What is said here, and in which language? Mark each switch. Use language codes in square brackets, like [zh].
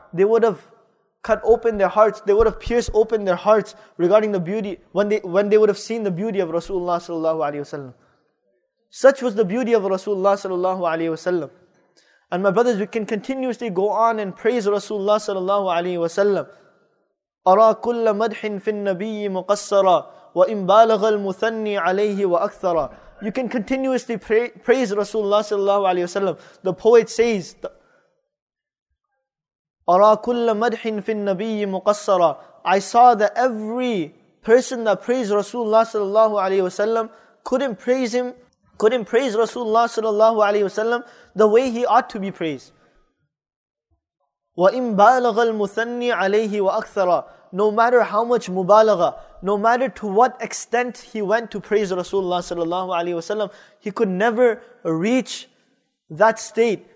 [en] They would have cut open their hearts, they would have pierced open their hearts regarding the beauty, when they would have seen the beauty of Rasulullah sallallahu alayhi wasallam. Such was the beauty of Rasulullah sallallahu alayhi wasallam. And my brothers, we can continuously go on and praise Rasulullah sallallahu alayhi wasallam. [ar] أرى كل مدح في النبي مقصرا وإن بالغ المثني عليه وأكثر. [en] You can continuously praise Rasulullah sallallahu alayhi wa sallam. The poet says, [ar] أرى كل مدح في النبي مقصرا. [en] I saw that every person that praised Rasulullah sallallahu alayhi wa sallam couldn't praise Rasulullah sallallahu alayhi wa sallam the way he ought to be praised. [ar] وَإِن بَالَغَ الْمُثَنِّي عَلَيْهِ وَأَكْثَرَ. [en] No matter how much mubalagha, no matter to what extent he went to praise Rasulullah sallallahu alayhi wa sallam, he could never reach that state.